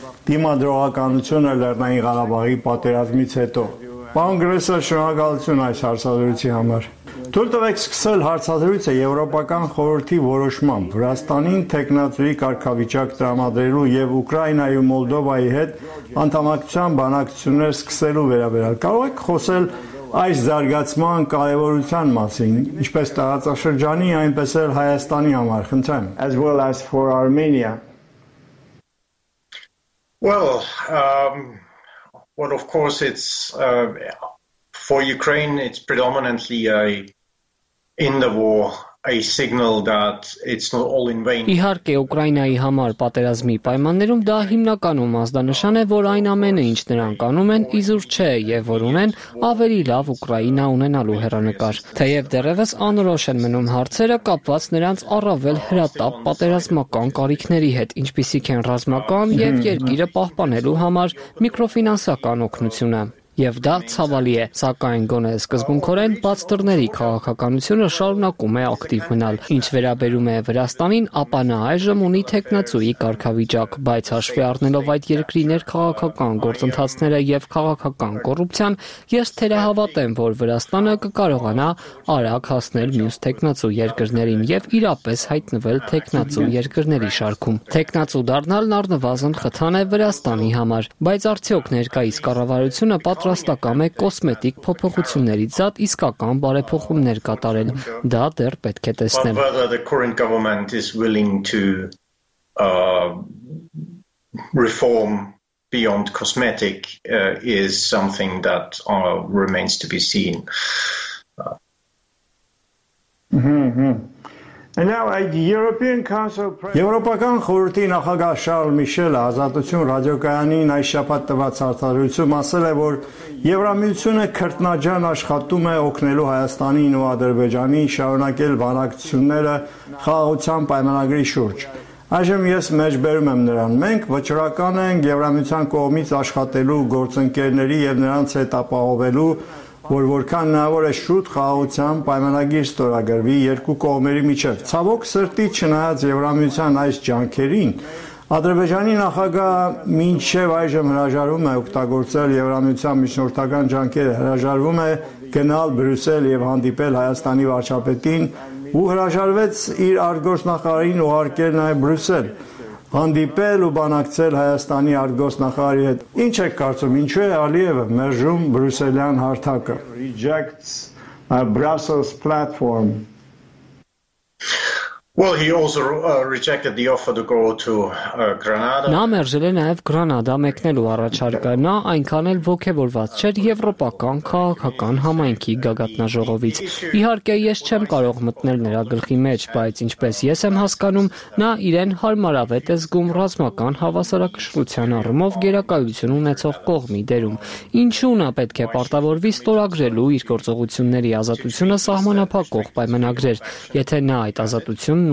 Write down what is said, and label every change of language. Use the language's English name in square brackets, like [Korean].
[Armenian] դիմադրողականությունը Լեռնային Ղարաբաղի պատերազմից հետո։ Պարոն Գրեսել, շնորհակալություն այս հարցազրույցի համար։ Թույլ տվեք սկսել հարցազրույցը Եվրոպական խորհրդի որոշմամբ Վրաստանին թեկնածուի կարգավիճակ տրամադրելու եւ Ուկրաինայի ու Մոլդովայի հետ անդամակցության բանակցություններ սկսելու վերաբերյալ։ Կարո՞ղ եք խոսել այս զարգացման կարևորության մասին, ինչպես տարածաշրջանի, այնպես էլ Հայաստանի համար, խնդրեմ։ [English] As well as for Armenia. Well, of course it's for Ukraine, it's predominantly in the war, a signal that it's not all in vain. [Armenian] Իհարկե, Ուկրաինայի համար պատերազմի պայմաններում դա հիմնականում ազդանշան է, որ այն ամենը, ինչ նրանք կանում են, իզուր չէ եւ որ ունեն ավելի լավ Ուկրաինա ունենալու հերանեկար։ Թեև դեռևս անորոշ են մնում հարցերը կապված նրանց առավել հրատապ պատերազմական կարիքների հետ, ինչպիսիք են ռազմական եւ երկիրը պահպանելու համար միկրոֆինանսական օգնությունը։ Եվ դա ցավալի է, սակայն գոնե սկզբունքորեն բացտրների քաղաքականությունը շարունակում է ակտիվ մնալ։ Ինչ վերաբերում է Վրաստանին, ապա նա այժմ ունի թեկնածուի կարգավիճակ, բայց հաշվի առնելով այդ երկրի ներքաղաքական գործընթացները եւ քաղաքական կոռուպցիան, ես թերահավատեմ, որ Վրաստանը կկարողանա արագ հասնել մյուս թեկնածու երկրներին եւ իրապես հայտնվել թեկնածու երկրների շարքում։ Թեկնածու դառնալն առնվազն խթան է Վրաստանի համար, բայց արդյոք ներկայիս կառավարությունը պատրաստական է կոսմետիկ փոփոխություններից զատ իսկական բարեփոխումներ կատարել, դա դեռ պետք է տեսնել։ [English] But whether the current government is willing to reform beyond cosmetic is something that remains to be seen. And now at the European Council [Armenian] President Եվրոպական խորհրդի նախագահ Շարլ Միշելը Ազատություն ռադիոկայանին այս շաբաթ տված հարցազրույցում ասել է, որ Եվրամիությունը քրտնաջան աշխատում է օգնելու Հայաստանին ու Ադրբեջանին շարունակել բանակցությունները խաղաղության պայմանագրի շուրջ։ Այժմ ես մեջբերում եմ նրան. Մենք վճռական ենք Եվրամիության կողմից աշխատելու գործընկերների եւ նրանց հետ ապահովելու, որ որքան հնարավոր է շուտ խաղաղության պայմանագիր ստորագրվի երկու կողմերի միջև։ Ցավոք սրտի, չնայած Եվրամիության այս ջանքերին, Ադրբեջանի նախագահ մինչև այժմ հրաժարվում է օգտագործել Եվրամիության միջնորդական ջանքերը, հրաժարվում է գնալ Բրյուսել եւ հանդիպել Հայաստանի վարչապետին ու հրաժարվեց իր արտգործնախարարին ուղարկել նաեւ Բրյուսել հանդիպել ու բանակցել Հայաստանի արտգործնախարարի հետ։ Ինչ է կարծում, ինչու է Ալիևը մերժում Բրյուսելյան հարթակը? [English] Rejects Brussels platform. Well, he also rejected the offer to go to Granada. [Armenian] Նա մերժել է նաև Գրանադա մեկնելու առաջարկը, նա այնքան էլ ոգևորված չէր եվրոպական քաղաքական համայնքի գագաթնաժողովից։ Իհարկե, ես չեմ կարող մտնել նրա գլխի մեջ, բայց ինչպես ես եմ հասկանում, նա իրեն հարմարավետ է զգում ռազմական հավասարակշռության առումով գերակայություն ունեցող կողմի դերում։ Ինչու նա պետք է պարտավորվի ստորագրելու իր գործողությունների ազատությունը սահմանափակող պայմանագրեր, եթե նա այդ ազատությունը